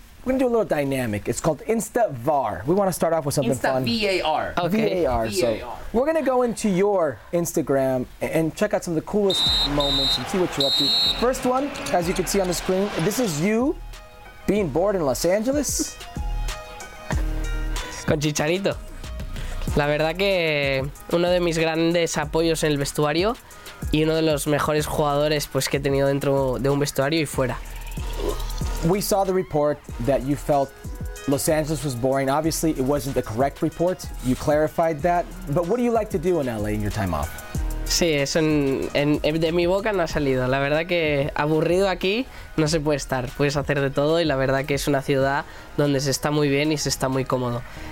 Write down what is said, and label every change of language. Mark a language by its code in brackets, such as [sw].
[en] We're going to do a little dynamic. It's called Insta VAR. We want to start off with something Insta fun. Insta VAR. Okay. VAR. VAR. So We're going to go into your Instagram and check out some of the coolest moments and see what you're up to. First one, as you can see on the screen, this is you being bored in Los Angeles. [es] Con Chicharito. La verdad que uno de mis grandes apoyos en el vestuario y uno de los mejores jugadores pues que he tenido dentro de un vestuario y fuera. [en] We saw the report that you felt Los Angeles was boring. Obviously, it wasn't the correct report. You clarified that. But what do you like to do in LA in your time off? [es] Sí, eso de mi boca no ha salido. La verdad que aburrido aquí no se puede estar. Puedes hacer de todo y la verdad que es una ciudad donde se está muy bien y se está muy cómodo.